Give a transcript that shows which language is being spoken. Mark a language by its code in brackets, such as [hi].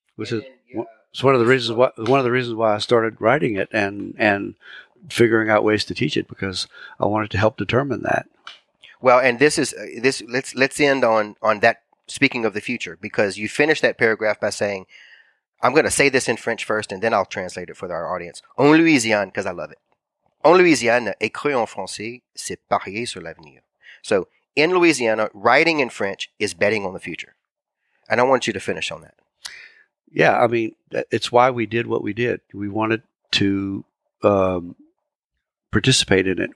[en] It's one of the reasons why I started writing it and figuring out ways to teach it, because I wanted to help determine that. Well, and this is, let's end on that. Speaking of the future, because you finish that paragraph by saying, I'm going to say this in French first, and then I'll translate it for our audience. [fr] En Louisiane, [en] because I love it. [fr] En Louisiane, écrire en français, c'est parier sur l'avenir. [en] So, in Louisiana, writing in French is betting on the future. And I want you to finish on that. Yeah, I mean, it's why we did what we did. We wanted to participate in it.